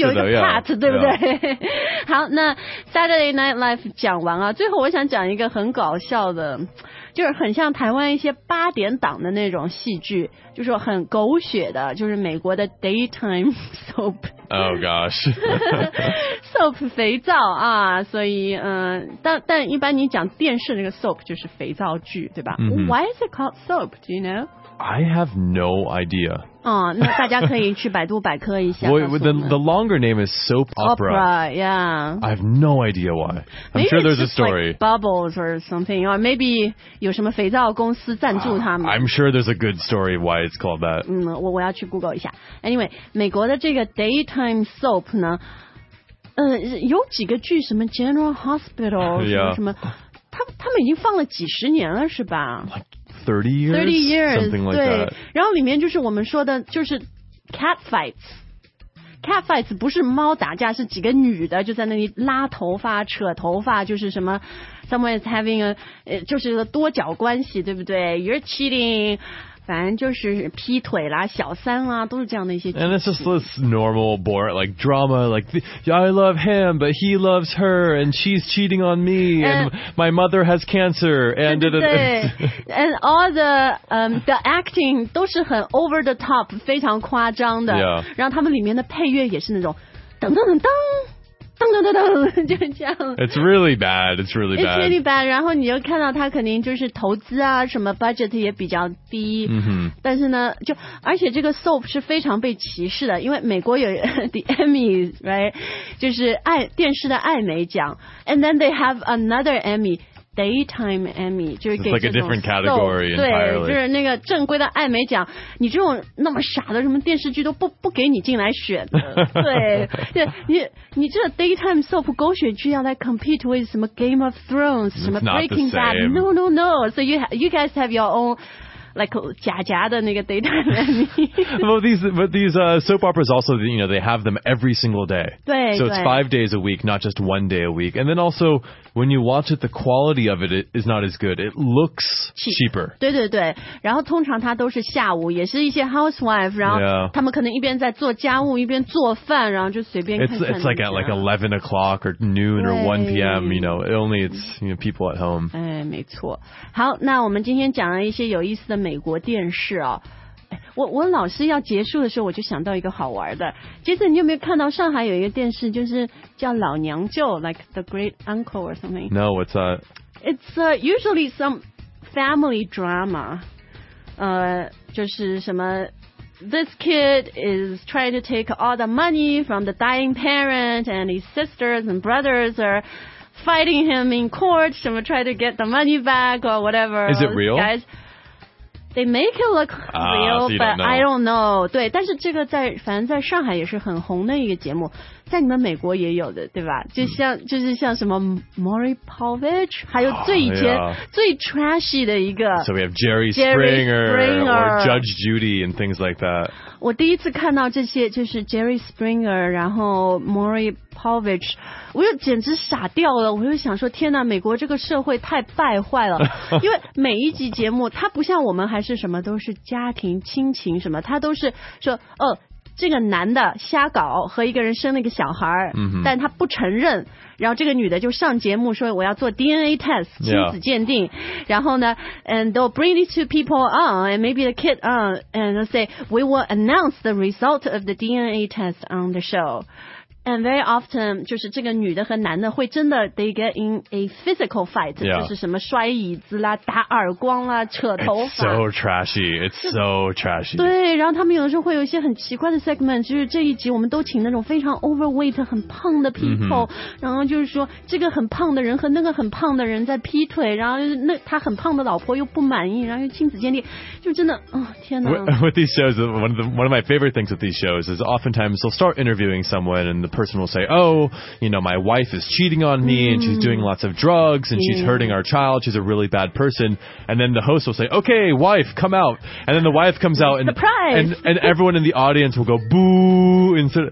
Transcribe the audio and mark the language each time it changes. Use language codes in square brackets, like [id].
[zh] 就是有一个 Pat [en] though, [zh] 对不对、 [en] yeah. [zh] 好那 Saturday Night Live 讲完啊最后我想讲一个很搞笑的就是很像台湾一些八点档的那种戏剧就是很狗血的就是美国的 Daytime Soap [en] Oh gosh [zh] Soap 肥皂啊所以但一般你讲电视那个 Soap 就是肥皂剧对吧、 [en] Why is it called Soap? Do you know? I have no idea [zh] 那大家可以去百度百科一下。 [en] the longer name is soap opera. Yeah. I have no idea why. I'm、 maybe、 sure there's a story.、 Like、bubbles or something, or maybe [zh] 有什么肥皂公司赞助他们。 [en] I'm sure there's a good story why it's called that. [zh] 我要去 Google 一下。Anyway, 美国的这个 daytime soap 呢，有几个剧，什么 General Hospital， 什么什么， [en] yeah. [zh] 他们已经放了几十年了，是吧？ [en] Thirty years, something like that. [zh] 然后里面就是我们说的，就是 cat fights, catfights 不是猫打架，是几个女的就在那里拉头发、扯头发，就是什么 [en] someone is having a [zh] 就是多角关系，对不对 ？ [en] You're cheating。 [zh] 反正就是劈腿啦、小三啦，都是这样的一些。 [en] And it's just this normal, boring, like drama. Like I love him, but he loves her, and she's cheating on me. And my mother has cancer. And [zh] 对对对 [en] and all the acting [zh] 都是很 [en] over the top, [zh] 非常夸张的。 [en] Yeah. [zh] 然后他们里面的配乐也是那种噔噔噔噔。噔噔噔噔，就这样。 [en] It's really bad. It's really bad. It's really bad. [zh] 然后你就看到他肯定就是投资啊，什么 budget 也比较低。嗯哼。但是呢，就而且这个 soap 是非常被歧视的，因为美国有 [en] the Emmys, right? [zh] 就是爱电视的艾美奖。 [en] And then they have another Emmy, daytime Emmy, [zh] 就是给这种 [en] soap, like a different category entirely. [zh] 对，就是那个正规的艾美奖，你这种那么傻的什么电视剧都不给你进来选的。对，你这 [en] daytime soap [zh] 狗血剧要来 [en] compete with 什么 Game of Thrones 什么 Breaking Bad no no no so you guys have your own like [zh] 假假的那个 [en] daytime but these soap operas also you know they have them every single day [zh] 对 [en] so it's 5 days a week not just 1 day a week and then also when you watch it the quality of it is not as good it looks cheaper [zh] 对对对然后通常它都是下午也是一些 housewife 然后他们可能一边在做家务一边做饭然后就随便看看 [en] it's like at like 11 o'clock or noon or 1 p.m. you know only it's you know, people at home [zh] 哎没错好那我们今天讲了一些有意思的美国电视哦我老是要结束的时候我就想到一个好玩的接着你有没有看到上海有一个电视就是叫老娘舅 [en] like the great uncle or something no what's that it's usually some family drama [zh] 就是什么 [en] this kid is trying to take all the money from the dying parent and his sisters and brothers are fighting him in court 什么 try to get the money back or whatever is it real guys They make it look real, so but I don't know. [zh] 对，但是这个在反正在上海也是很红的一个节目，在你们美国也有的，对吧？就像、就是像什么 Maury Povich， 还有最以前、最 trashy 的一个。 [en] So we have Jerry Springer, or Judge Judy and things like that. [zh] 我第一次看到这些就是 Jerry Springer， 然后 Maury Povich， 我就简直傻掉了。我就想说，天哪，美国这个社会太败坏了，因为每一集节目它不像我们。还是什么都是家庭亲情什么他都是说哦这个男的瞎搞和一个人生了个小孩、但他不承认然后这个女的就上节目说我要做 DNA test 亲子鉴定、然后呢 [en] and they'll bring these two people on and maybe the kid on and they'll say we will announce the result of the DNA test on the show and very often [zh] 就是这个女的和男的会真的 [en] they get in a physical fight、 [zh] 就是什么摔椅子啦打耳光啦扯头发 [en] it's so trashy it's so trashy [zh] 对然后他们有的时候会有一些很奇怪的 segment 就是这一集我们都请那种非常 overweight 很胖的 people、然后就是说这个很胖的人和那个很胖的人在劈腿然后那他很胖的老婆又不满意然后又亲子鉴定就真的、天哪 [en] with these shows one of my favorite things with these shows is oftentimes they'll start interviewing someone and the person will say oh you know my wife is cheating on me and she's doing lots of drugs and she's hurting our child she's a really bad person and then the host will say okay wife come out and then the wife comes out and everyone in the audience will go boo instead of,